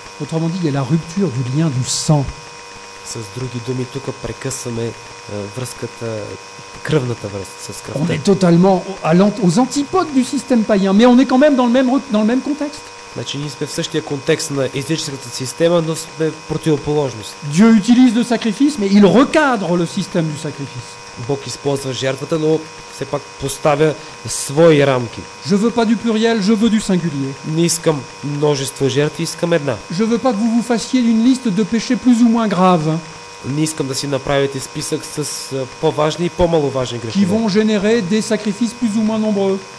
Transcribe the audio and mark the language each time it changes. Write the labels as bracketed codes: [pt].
[fr] Autrement dit, il y a la rupture du lien du sang. [bg] С други думи, тук прекъсваме връзката, кръвната връзка с кръвта. [fr] On est totalement aux antipodes du système païen, mais on est quand même dans le même contexte. [bg] Значи ние сме в същия контекст на езическата система, но сме в противоположност. [fr] Dieu utilise le sacrifice, mais il recadre le système du sacrifice. [bg] Бог използва жертвата, но все пак поставя свои рамки. [fr] Je veux pas du pluriel, je veux du singulier. [bg] Не искам множество жертви, искам една. [fr] Je veux pas que vous vous fassiez d'une liste de péchés plus ou moins graves. [bg] Не искам да си направите списък с по-важни и по-маловажни грехове. [fr] Qui vont générer des sacrifices plus ou moins nombreux.